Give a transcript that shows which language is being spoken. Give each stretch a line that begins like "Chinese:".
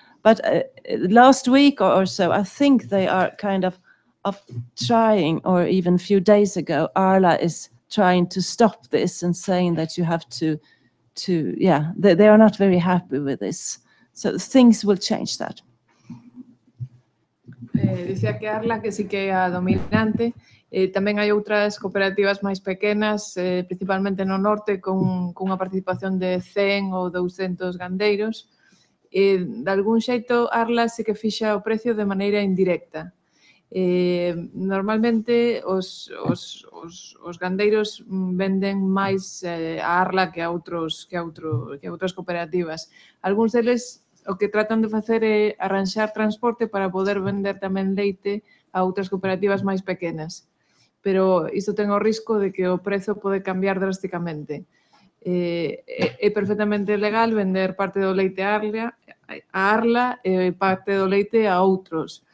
English: But last week or so, I think they are kind of trying, or even a few days ago, Arla is trying to stop this and saying that you have to yeah, they are not very happy with this. So things will change that.
Galician: Decía que Arla que sí que é a dominante. Tamén hai outras cooperativas máis pequenas, principalmente no norte, con unha participación de 100 ou 200 gandeiros. De algún xeito, Arla sí que fixa o precio de maneira indirecta. Normalmente, os gandeiros venden máis a Arla que a outras cooperativas. Algúns deles o que tratan de facer é arranxar transporte para poder vender tamén leite a outras cooperativas máis pequenas. Pero isto ten o risco de que o prezo pode cambiar drásticamente. É perfectamente legal vender parte do leite a Arla e parte do leite a outros.